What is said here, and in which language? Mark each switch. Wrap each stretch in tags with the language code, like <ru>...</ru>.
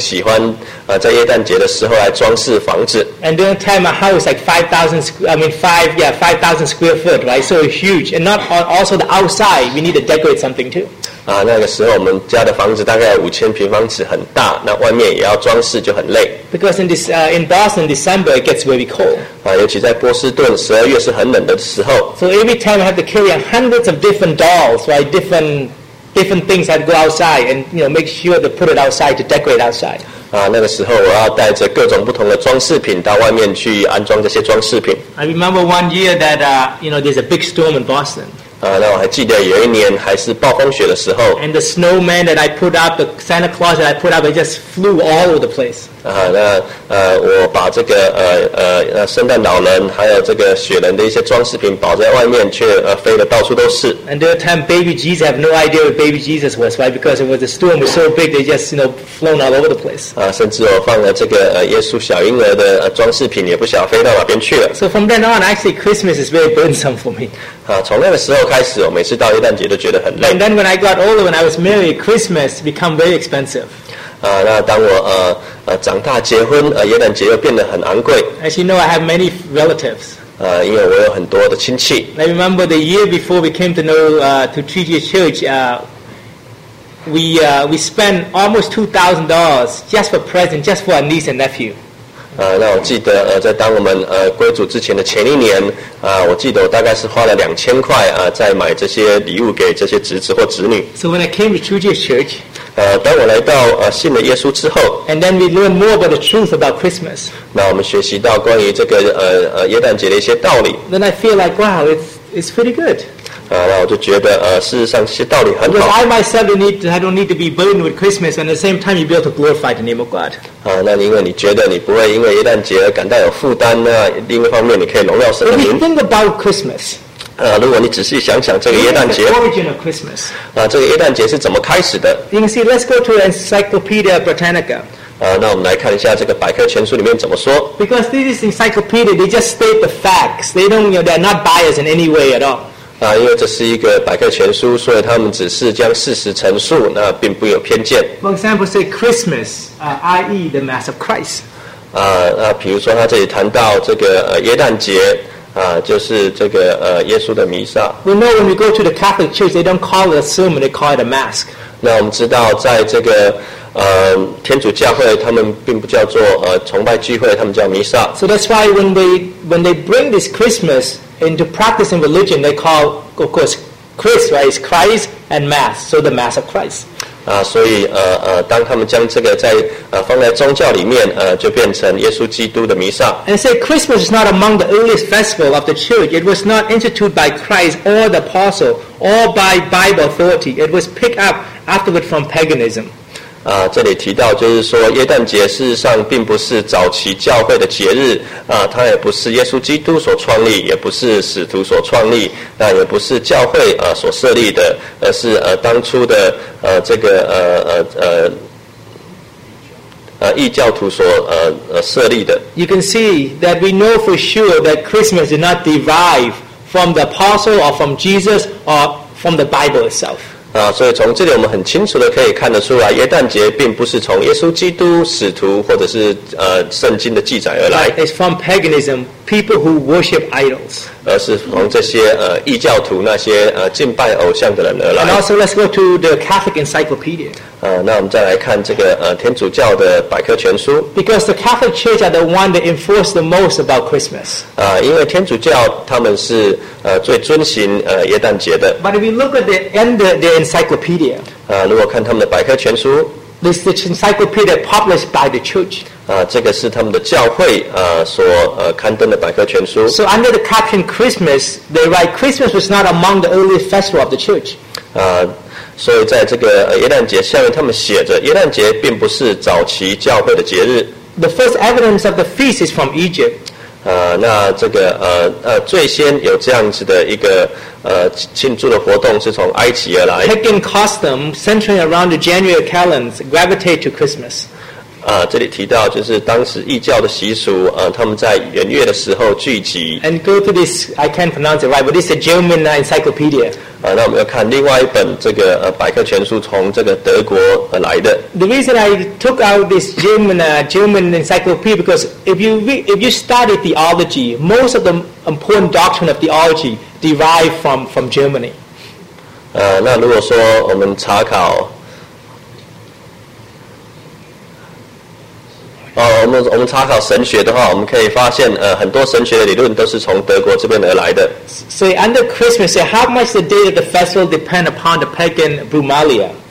<zh>那个时候我的母亲她非常喜欢在耶诞节的时候来装饰房子。</zh> <en>And during that time, my house was like 5,000 square foot, right? So huge. And not also the outside, we need to decorate something too.</en> <zh>啊，那个时候我们家的房子大概5000平方尺，很大，那外面也要装饰，就很累。</zh> <en>Because in Boston, December it gets very cold.</en> <zh>啊，尤其在波士顿，十二月是很冷的时候。</zh> <en>So every time I have to carry hundreds of different dolls, right? Different things I'd go outside and you know make sure to put it outside to decorate outside.</en> <zh>啊，那个时候我要带着各种不同的装饰品到外面去安装这些装饰品。</zh> <en>I remember one year that there's a big storm in Boston.</en> <zh>啊，那我还记得有一年还是暴风雪的时候。</zh> <en>And the snowman that I put up, the Santa Claus that I put up, it just flew all over the place.</en> <zh>啊，那我把这个圣诞老人还有这个雪人的一些装饰品绑在外面，却飞得到处都是。</zh> <en>And there were times baby Jesus have no idea where baby Jesus was, right? Because it was the storm was so big, they just flown all over the place.</en> <zh>啊，甚至我放了这个耶稣小婴儿的装饰品，也不晓得飞到哪边去了。</zh> <en>So from then on, actually Christmas is very burdensome for me.</en> <zh>啊，从那个时候开始，我每次到圣诞节都觉得很累。</zh> <en>And then when I got older, when I was married, Christmas become very expensive.</en> <zh>啊，那当我长大结婚，圣诞节又变得很昂贵。</zh> <en>As you know, I have many relatives.</en> <zh>因为我有很多的亲戚。</zh> <en>I remember the year before we came to know to Treaty Church, we spent almost $2,000 just for present, just for our niece and nephew.</en> <zh>那我记得在当我们归主之前的前一年我记得我大概是花了$2,000在买这些礼物给这些侄子或侄女。</zh> <en>So when I came to Treaty Church.</en> <zh>当我来到信了耶稣之后</zh> <en>，and then we learn more about the truth about Christmas.</en> <zh>那我们学习到关于这个耶诞节的一些道理。</zh> <en>Then I feel like wow, it's pretty good.</en> <zh>那我就觉得事实上这些道理很好。</zh> <en>Because I myself don't need to be burdened with Christmas, and at the same time you'll be able to glorify the name of God.</en> <zh>那因为你觉得你不会因为耶诞节而感到有负担呢？另一方面，你可以荣耀神的名。</zh> <en>If you think about Christmas.</en> <zh>如果你仔细想想这个耶诞节 这个耶诞节是怎么开始的</zh> <en>？You can see, let's go to Encyclopedia Britannica.</en> <zh>那我们来看一下这个百科全书里面怎么说。</zh> <en>Because this is encyclopedia, they just state the facts. They don't, they're not biased in any way at all.</en> <zh>因为这是一个百科全书，所以他们只是将事实陈述，那并不有偏见。</zh> <en>For example, say Christmas, i.e. the Mass of Christ.</en> <zh>那比如说他这里谈到这个耶诞节。就是这个耶稣的弥撒。</zh> <en>We know when we go to the Catholic Church, they don't call it a sermon; they call it a mass.</en> <zh>那我们知道，在这个天主教会，他们并不叫做崇拜聚会，他们叫弥撒。</zh> <en>So that's why when they bring this Christmas into practice in religion, they call, of course, Christ, right? It's Christ and Mass, so the Mass of Christ.</en> <zh>所以当他们将这个在放在宗教里面就变成耶稣基督的弥撒。</zh> <en>And say Christmas is not among the earliest festival of the church. It was not instituted by Christ or the apostle or by Bible authority. It was picked up afterward from paganism.</en> <zh>这里提到就是说耶诞节事实上并不是早期教会的节日它也不是耶稣基督所创立，也不是使徒所创立，那也不是教会所设立的，而是当初的这个异教徒所设立的。</zh> <en>You can see that we know for sure that Christmas did not derive from the apostle or from Jesus or from the Bible itself.</en> <zh>所以从这里我们很清楚的可以看得出来，耶诞节并不是从耶稣基督、使徒或者是圣经的记载而来。</zh> <en>It's from paganism, people who worship idols.</en> <zh>而是从这些异教徒那些敬拜偶像的人而来。</zh> <en>And also let's go to the Catholic Encyclopedia.</en> <zh>那我们再来看这个天主教的百科全书。</zh> <en>Because the Catholic Church are the one that enforce the most about Christmas.</en> <zh>因为天主教他们是最遵循耶诞节的。</zh> <en>But if we look at the end of the encyclopedia,</en> <zh>如果看他们的百科全书。</zh> <en>This is the encyclopedia published by the church.</en> <zh>这个是他们的教会所刊登的百科全书。</zh> <en>So under the caption Christmas, they write Christmas was not among the earliest festival of the church.</en> <zh>所以在这个耶诞节下面他们写着耶诞节并不是早期教会的节日。</zh> <en>The first evidence of the feast is from Egypt.</en> <zh>那这个最先有这样子的一个庆祝的活动是从埃及而来。</zh> <en>Pagan custom centering around the January calends gravitate to Christmas.</en> <zh>这里提到就是当时异教的习俗他们在元月的时候聚集。</zh> <en>And go to this, I can't pronounce it right, but this is the German encyclopedia.</en> <zh>那我们要看另外一本这个百科全书，从这个德国来的。</zh> <en>The reason I took out this German encyclopedia because if you study theology, most of the important doctrine of theology derive from Germany.</en> <zh>那如果说我们查考，我们查考神学的话，我们可以发现，很多神学的理论都是从德国这边而来的。</zh> <en>So under Christmas, how much the date of the festival depend upon the pagan Brumalia?</en>